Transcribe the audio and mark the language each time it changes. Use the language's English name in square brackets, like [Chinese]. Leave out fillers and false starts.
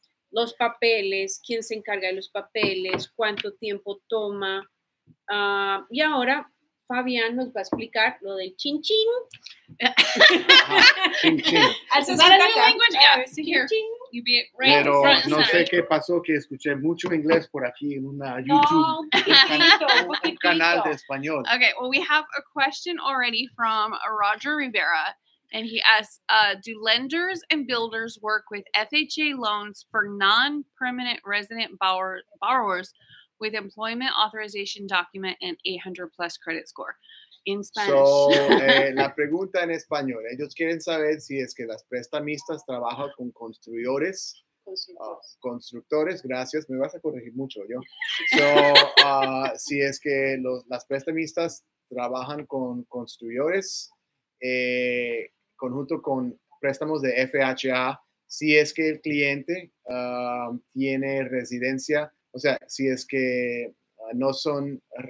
[Spanish] Los papeles, quién se encarga de los papeles, cuánto tiempo toma. Y ahora... Fabián nos va a explicar lo del chin-chin. [English] Chin-chin. Is that a new language? Yeah, here. You'd be right [Spanish] Pero [English] front [Spanish] no sé qué pasó, que escuché mucho inglés por aquí en una [English] YouTube [Spanish] canal de español. [English] Okay, well, we have a question already from Roger Rivera, and he asks, do lenders and builders work with FHA loans for non-permanent resident borrowers with employment authorization document and 800+ credit score in Spanish. [Spanish] So, la pregunta en español. Ellos quieren saber si es que las prestamistas trabajan con constructores. Constructores, gracias. Me vas a corregir mucho yo. So, si es que las prestamistas trabajan con constructores, conjunto con préstamos de FHA, si es que el cliente tiene residencia. O sea, si es que no son